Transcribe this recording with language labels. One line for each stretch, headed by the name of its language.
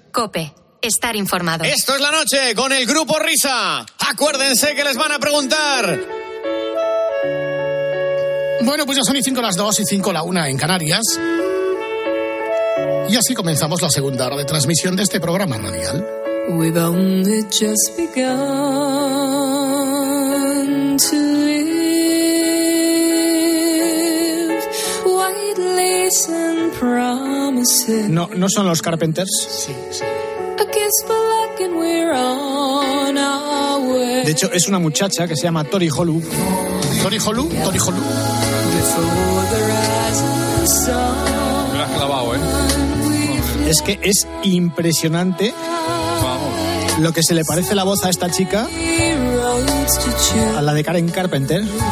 Spanish: COPE, estar informado. Esto es La Noche con el Grupo Risa. Acuérdense que les van a preguntar. Bueno, pues ya son y 5 las 2 y 5 la 1 en Canarias. Y así comenzamos la segunda hora de transmisión de este programa radial.
English: We've only just begun to live. White lace and promises.
Spanish: No son los Carpenters. Sí.
English: A kiss for luck and we're on our way.
Spanish: De hecho, es una muchacha que se llama Tori Holu. ¿Tori Holu? ¿Tori Holu? Me la has clavado, ¿eh? Es que es impresionante. Vamos. Lo que se le parece la voz a esta chica a la de Karen Carpenter.